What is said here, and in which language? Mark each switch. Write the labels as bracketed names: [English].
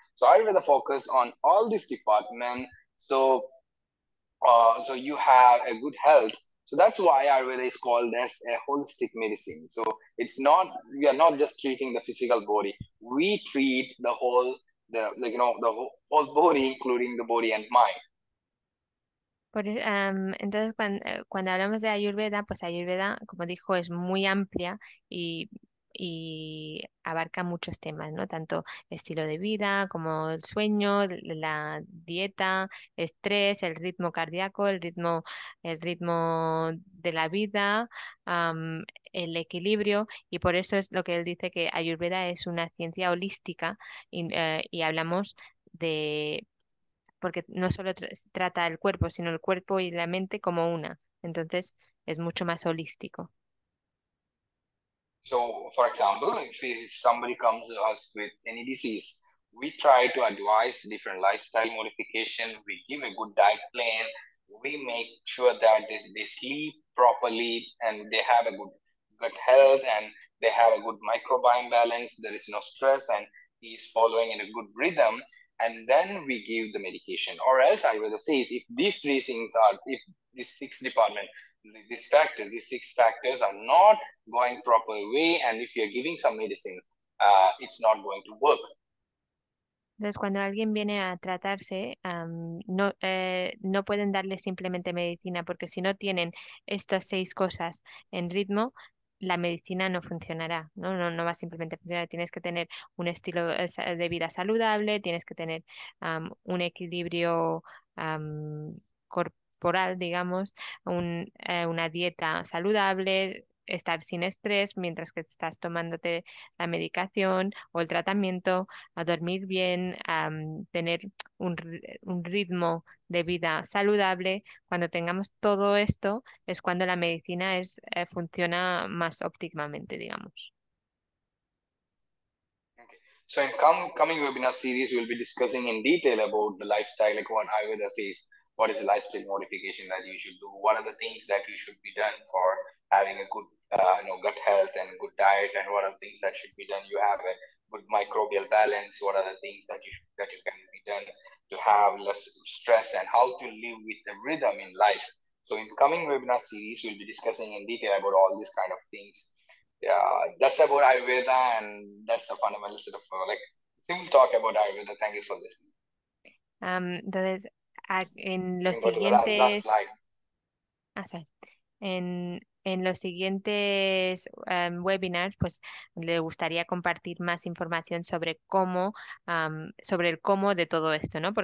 [English] So I really focus on all these departments so you have a good health. So that's why Ayurveda is called as a holistic medicine. So it's not, we are not just treating the physical body. We treat the whole, the whole body, including the body and mind. [Spanish] Entonces, cuando hablamos de Ayurveda, pues Ayurveda, como dijo, es muy amplia y abarca muchos temas, ¿no? Tanto estilo de vida como el sueño, la dieta, estrés, el ritmo cardíaco, el ritmo de la vida, el equilibrio, y por eso es lo que él dice que Ayurveda es una ciencia holística y hablamos de porque no solo trata el cuerpo, sino el cuerpo y la mente como una. Entonces, es mucho más holístico. [English] So, for example, if somebody comes to us with any disease, we try to advise different lifestyle modification, we give a good diet plan, we make sure that they sleep properly and they have a good gut health and they have a good microbiome balance, there is no stress and he's following in a good rhythm, and then we give the medication. Or else Ayurveda says, if these six departments, these six factors are not going proper way, and if you're giving some medicine, it's not going to work. [Spanish] Entonces, cuando alguien viene a tratarse, no pueden darle simplemente medicina, porque si no tienen estas seis cosas en ritmo, la medicina no funcionará, ¿no? No va simplemente a funcionar. Tienes que tener un estilo de vida saludable, tienes que tener un equilibrio corporal, digamos, una dieta saludable, estar sin estrés mientras que estás tomándote la medicación o el tratamiento, a dormir bien, a tener un ritmo de vida saludable. Cuando tengamos todo esto, es cuando la medicina funciona más óptimamente, digamos. [English] So in coming webinar series, we'll be discussing in detail about the lifestyle, like what Ayurveda says, what is the lifestyle modification that you should do, what are the things that you should be done for having a good gut health and a good diet, and what are the things that should be done. You have a good microbial balance, what are the things that you can be done to have less stress, and how to live with the rhythm in life. So in coming webinar series, we'll be discussing in detail about all these kind of things. Yeah, that's about Ayurveda, and that's a fundamental sort of simple talk about Ayurveda. Thank you for listening. [Spanish] Entonces, en los siguientes, en los siguientes webinars, pues le gustaría compartir más información sobre cómo, sobre el cómo de todo esto, ¿no?